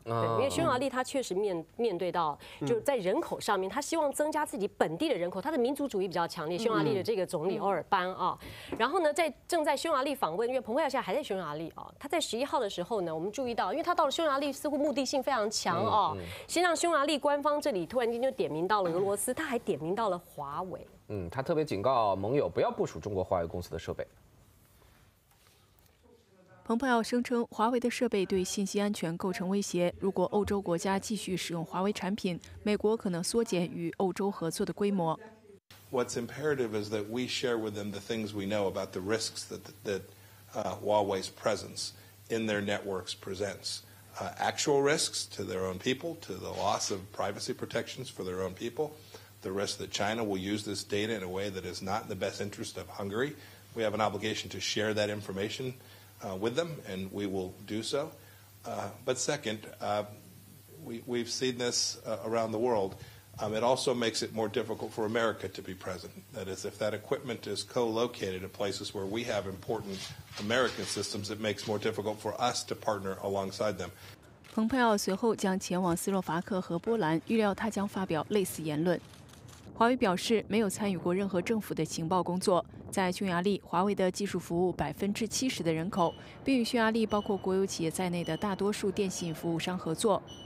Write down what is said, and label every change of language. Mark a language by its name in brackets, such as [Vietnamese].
[Chinese] 因为匈牙利他确实面对到，就是在人口上面，他希望增加自己本地的人口，他的民族主义比较强烈，匈牙利的这个总理欧尔班啊，然后呢，在正在匈牙利访问，因为蓬佩奥现在还在匈牙利啊，他在11号的时候呢，我们注意到，因为他到了匈牙利似乎目的性非常强啊，先让匈牙利官方这里突然间就点名到了俄罗斯，他还点名到了华为，他特别警告盟友不要部署中国华为公司的设备。蓬佩奥声称华为的设备对信息安全构成威胁，如果欧洲国家继续使用华为产品，美国可能缩减与欧洲合作的规模。 [English] What's imperative is that we share with them the things we know about the risks that Huawei's presence in their networks presents. Actual risks to their own people, to the loss of privacy protections for their own people. The risk that China will use this data in a way that is not in the best interest of Hungary. We have an obligation to share that information with them, and we will do so. But second, we've seen this around the world. It also makes it more difficult for America to be present. That is, if that equipment is co-located in places where we have important American systems, it makes more difficult for us to partner alongside them. [Chinese] 蓬佩奥随后将前往斯洛伐克和波兰，预料他将发表类似言论。华为表示没有参与过任何政府的情报工作。在匈牙利，华为的技术服务70%的人口，并与匈牙利包括国有企业在内的大多数电信服务商合作。